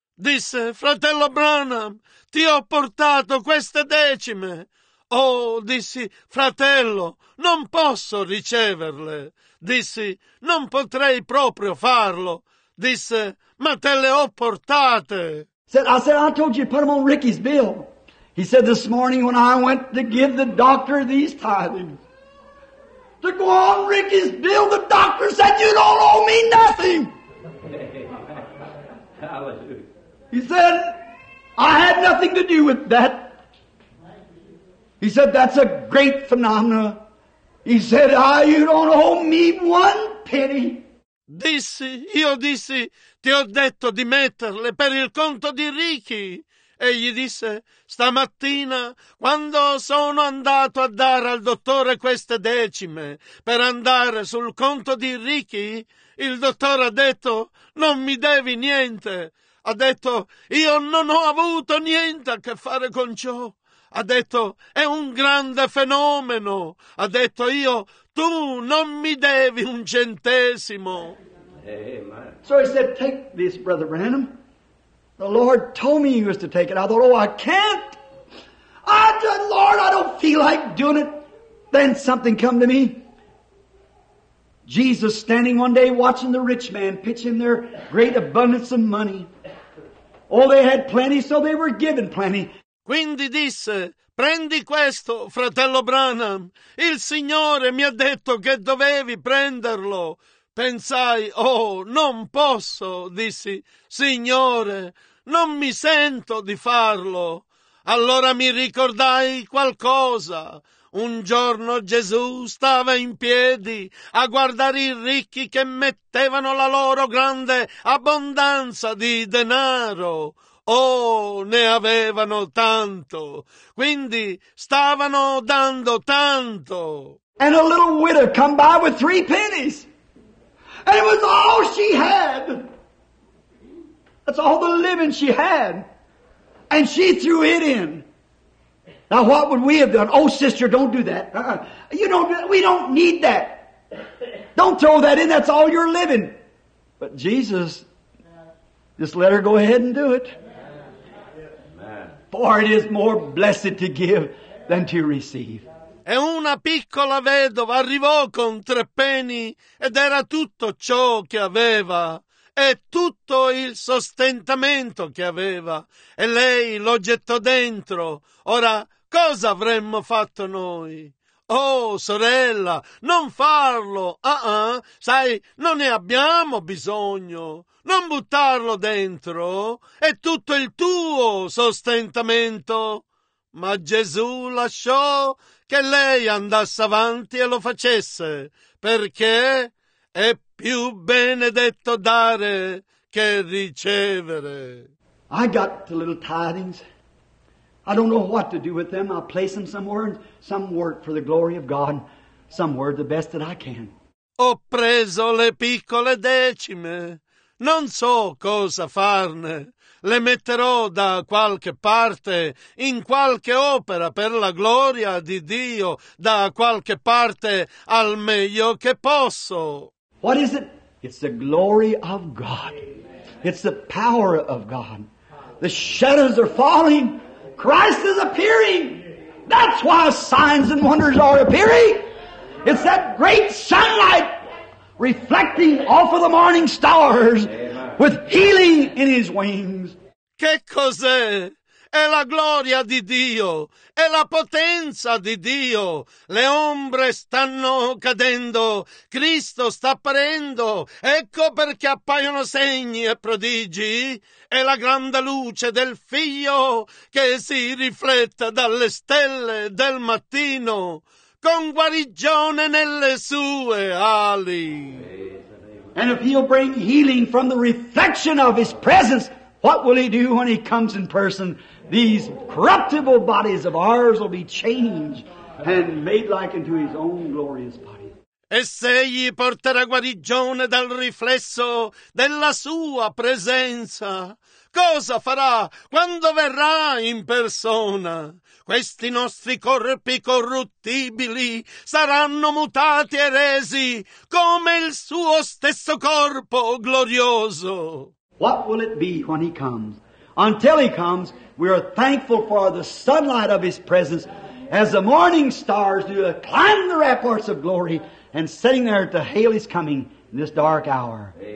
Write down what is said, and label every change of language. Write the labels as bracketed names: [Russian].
[Italian] Disse: fratello Branham, ti ho portato queste decime. Oh, dissi, fratello, non posso riceverle. Dissi, non potrei proprio farlo. Disse: ma te le ho portate. [English] I said, I told you to put them on Ricky's bill. He said, this morning when I went to give the doctor these tithings, to go on Ricky's bill, the doctor said, you don't owe me nothing. Hallelujah. He said, I had nothing to do with that. He said, that's a great phenomenon. He said, you don't owe me one penny. [Italian] Dissi, ti ho detto di metterle per il conto di Ricky. E gli disse, stamattina, quando sono andato a dare al dottore queste decime per andare sul conto di Ricky, il dottore ha detto, non mi devi niente. Ha detto, io non ho avuto niente a che fare con ciò. Ha detto, è un grande fenomeno. Ha detto, io, tu non mi devi un centesimo. Amen. [English] So he said, take this, Brother Branham. The Lord told me he was to take it. I thought, oh, I can't. I said, Lord, I don't feel like doing it. Then something come to me. Jesus standing one day watching the rich man pitch in their great abundance of money. Oh, they had plenty, so they were given plenty. [Italian] Quindi disse, prendi questo, fratello Branham. Il Signore mi ha detto che dovevi prenderlo. Pensai, oh, non posso, dissi, Signore, non mi sento di farlo. Allora mi ricordai qualcosa. Un giorno Gesù stava in piedi a guardare i ricchi che mettevano la loro grande abbondanza di denaro. Oh, ne avevano tanto, quindi stavano dando tanto. [English] And a little widow come by with three pennies. And it was all she had. That's all the living she had. And she threw it in. Now what would we have done? Oh, sister, don't do that. You don't. We don't need that. Don't throw that in. That's all you're living. But Jesus just let her go ahead and do it. For it is more blessed to give than to receive. [Italian] E una piccola vedova arrivò con tre peni ed era tutto ciò che aveva e tutto il sostentamento che aveva e lei lo gettò dentro. Ora, cosa avremmo fatto noi? Oh, sorella, non farlo! Sai, non ne abbiamo bisogno! Non buttarlo dentro! È tutto il tuo sostentamento! Ma Gesù lasciò che lei andasse avanti e lo facesse, perché è più benedetto dare che ricevere. [English] I got the little tidings. I don't know what to do with them. I'll place them somewhere in some work for the glory of God, somewhere the best that I can. [Italian] Ho preso le piccole decime. Non so cosa farne. Le metterò da qualche parte, in qualche opera per la gloria di Dio, da qualche parte al meglio che posso. [English] What is it? It's the glory of God. It's the power of God. The shadows are falling. Christ is appearing. That's why signs and wonders are appearing. It's that great sunlight reflecting off of the morning stars with healing in his wings. [Italian] Che cos'è? È la gloria di Dio, è la potenza di Dio. Le ombre stanno cadendo, Cristo sta apparendo. Ecco perché appaiono segni e prodigi. È la grande luce del Figlio che si riflette dalle stelle del mattino con guarigione nelle sue ali. [English] And if he'll bring healing from the reflection of his presence, what will he do when he comes in person? These corruptible bodies of ours will be changed and made like unto his own glorious body. [Italian] E se gli porterà guarigione dal riflesso della sua presenza, cosa farà quando verrà in persona? Questi nostri corpi corruttibili saranno mutati e resi come il suo stesso corpo glorioso. [English] What will it be when he comes? Until he comes, we are thankful for the sunlight of his presence as the morning stars do to climb the ramparts of glory and sitting there to hail his coming in this dark hour.